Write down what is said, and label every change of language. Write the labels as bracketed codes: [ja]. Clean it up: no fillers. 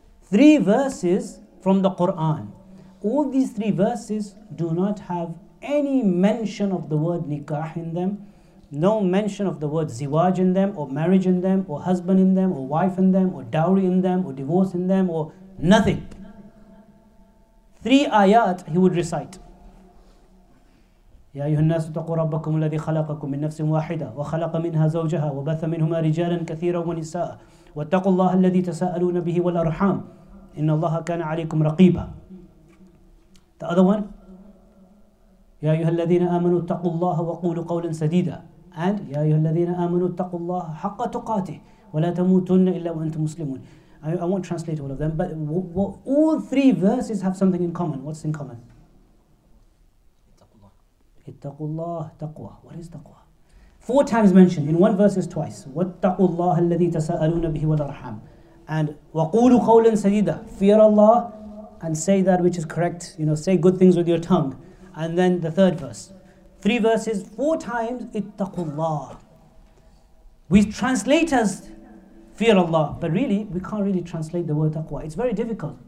[en] 3 verses from the Quran. All these 3 verses do not have any mention of the word nikah in them. No mention of the word ziwaj in them, or marriage in them, or husband in them, or wife in them, or dowry in them, or divorce in them, or nothing. 3 ayat he would recite. [ar] يا أيها الناس اتقوا ربكم الذي خلقكم من نفس واحدة وخلق منها زوجها وبث منهما رجالا كثيرا ونساء واتقوا الله الذي تساءلون به والأرحام إن الله كان عليكم رقيبا. [en] The other one, [ar] يا أيها الذين آمنوا اتقوا الله وقولوا قولا سديدا. And يا أيها الذين آمنوا اتقوا الله حق تقاته ولا تموتن إلا وأنتم مسلمون. [en] I won't translate all of them, but all 3 verses have something in common. What's in common? [ar] اتقوا الله تقوى. [en] What is تقوى? 4 times mentioned in 1 verse is twice. [ar] واتقوا الله الذي تسألون به والأرحام. And وقولوا قولا سديدا. [en] Fear Allah and say that which is correct. You know, say good things with your tongue. And then the 3rd verse. 3 verses, 4 times, [ar] اتقوا الله. [en] We translate as fear Allah, but really, we can't really translate the word taqwa. It's very difficult.